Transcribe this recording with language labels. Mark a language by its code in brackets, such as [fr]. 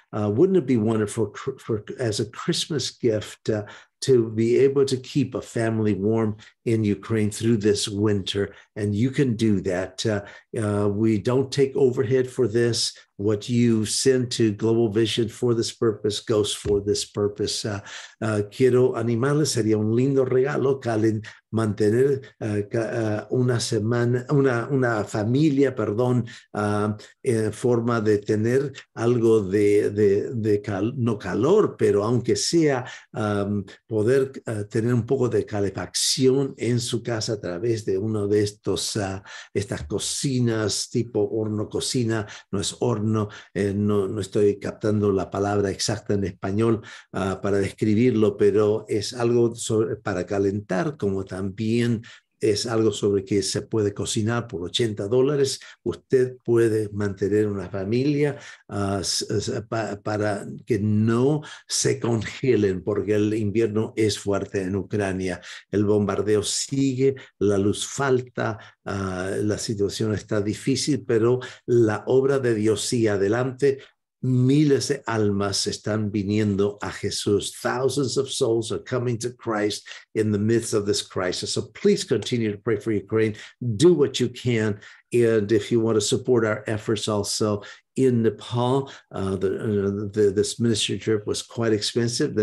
[en] Wouldn't it be wonderful for as a Christmas gift to be able to keep a family warm in Ukraine through this winter? And you can do that. We don't take overhead for this. What you send to Global Vision for this purpose goes for this purpose. [es] Quiero animarles, sería un lindo regalo, Kalin, mantener una semana, una familia, perdón, en forma de tener algo de no calor, pero aunque sea poder tener un poco de calefacción en su casa a través de uno de estos estas cocinas tipo horno cocina, no es horno, no estoy captando la palabra exacta en español para describirlo, pero es algo para calentar, como también bien, es algo sobre que se puede cocinar por $80. Usted puede mantener una familia para que no se congelen, porque el invierno es fuerte en Ucrania. El bombardeo sigue, la luz falta, la situación está difícil, pero la obra de Dios sigue adelante. Miles de almas están viniendo a Jesús. [en] Thousands of souls are coming to Christ in the midst of this crisis. So please continue to pray for Ukraine. Do what you can. And if you want to support our efforts also in Nepal, this ministry trip was quite expensive.